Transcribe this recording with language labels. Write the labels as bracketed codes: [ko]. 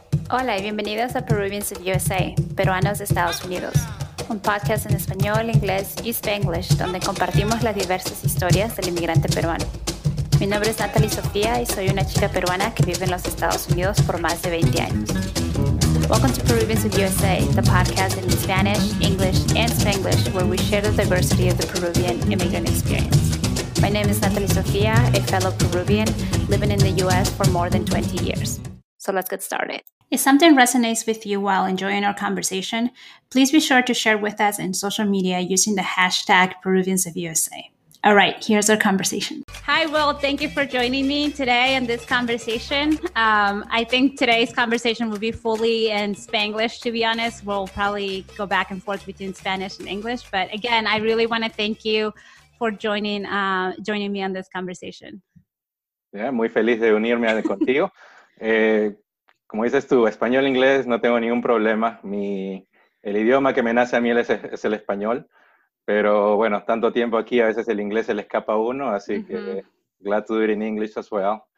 [es] Hola y bienvenidos a Peruvians of USA, Peruanos de Estados Unidos, un podcast en español, inglés y Spanglish donde compartimos las diversas historias del inmigrante peruano. Mi nombre es Natalie Sofía y soy una chica peruana que vive en los Estados Unidos por más de 20 años. [en] Welcome to Peruvians of USA, the podcast in Spanish, English, and Spanglish where we share the diversity of the Peruvian immigrant experience. My name is Natalie Sofía, a fellow Peruvian living in the U.S. for more than 20 years. So let's get started. If something resonates with you while enjoying our conversation, please be sure to share with us in social media using the hashtag Peruvians of USA. All right, here's our conversation. Hi, Will. Thank you for joining me today in this conversation. I think today's conversation will be fully in Spanglish, to be honest. We'll probably go back and forth between Spanish and English. But again, I really want to thank you for joining me on this conversation. [es] Yeah, muy feliz de unirme contigo. Como dices tú, español e inglés, no tengo ningún problema. El idioma que me nace a mí es el español. Pero bueno, tanto tiempo aquí, a veces el inglés se le escapa a uno, así que [en] glad to do it in English as well.